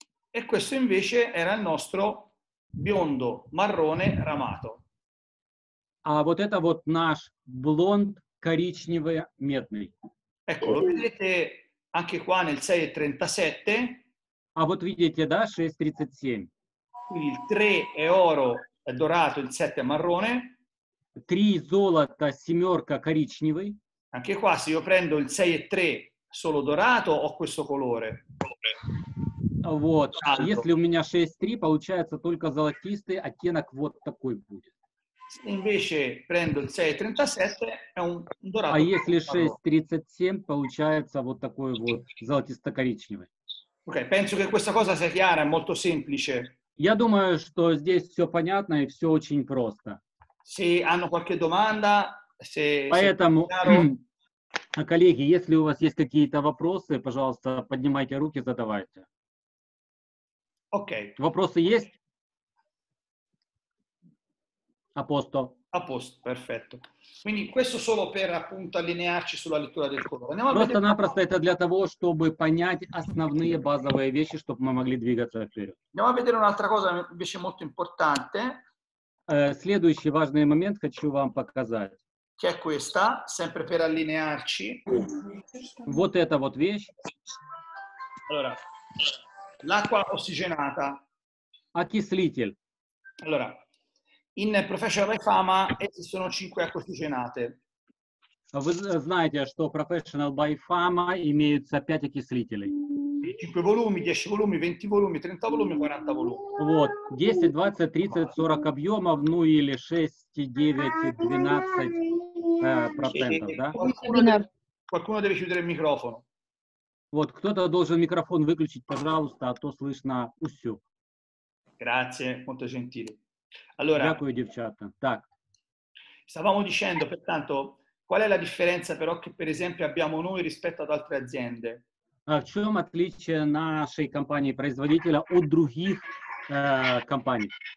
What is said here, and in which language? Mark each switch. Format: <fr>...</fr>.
<it>E questo invece era il nostro biondo, marrone, ramato.</it> <ru>А вот это вот наш блонд коричнево-медный.</ru> <it>Ecco, lo vedete anche qua nel 6.37.</it> <ru>А вот видите, да, 6.37.</ru> <it>Quindi il 3 è oro, è dorato, il 7 è marrone.</it> <ru>3 золото, семерка коричневый.</ru> <it>Anche qua se io prendo il 6 e 3 solo dorato ho questo colore.</it> <ru>Вот. Если у меня 6-3, получается только золотистый оттенок вот такой будет.</ru> <it>Se invece prendo il 6.37 è un dorato.</it> <ru>А если 6.37, получается вот такой вот золотисто-коричневый.</ru> <it>Ok, penso che questa cosa sia chiara, è molto semplice.</it> <ru>Я думаю, что здесь все понятно и все очень просто.</ru> <it>Se hanno qualche domanda, se...</it> <ru>Поэтому, коллеги, если у вас есть какие-то вопросы, пожалуйста, поднимайте руки, задавайте. Окей. Вопросы есть?</ru> <it>Apposto. Apposto, perfetto. Quindi questo solo per appunto allinearci sulla lettura del colore. Andiamo</it> <ru>Просто-напросто это для того, чтобы понять основные базовые вещи, чтобы мы могли двигаться вперед.</ru> <it>Andiamo a vedere un'altra cosa invece molto importante.</it> <ru>Следующий важный момент хочу вам показать.</ru> <it>Che è questa, sempre per allinearci.</it> <ru>Вот эта вот вещь.</ru> <it>Allora, l'acqua ossigenata.</it> <ru>Окислитель.</ru> <it>Allora. In Professional by Fama esistono 5 acque ossigenate.</it> <ru>Вы знаете, что Professional by Fama имеются 5 окислителей.</ru> <it>5 volumi, 10 volumi, 20 volumi, 30 volumi, 40 volumi.</it> <ru>Вот, 10, 20, 30, 40 объемов, ну или 6, 9, 12 процентов, да?</ru> <it>Qualcuno deve chiudere il microfono.</it> <ru>Вот, кто-то должен микрофон выключить, пожалуйста, а то слышно усю.</ru> <it>Grazie, molto gentile. Allora, stavamo dicendo, pertanto, qual è la differenza però che per esempio abbiamo noi rispetto ad altre aziende?</it> <ru>В чем отличие нашей компании-производителя от других компаний?</ru>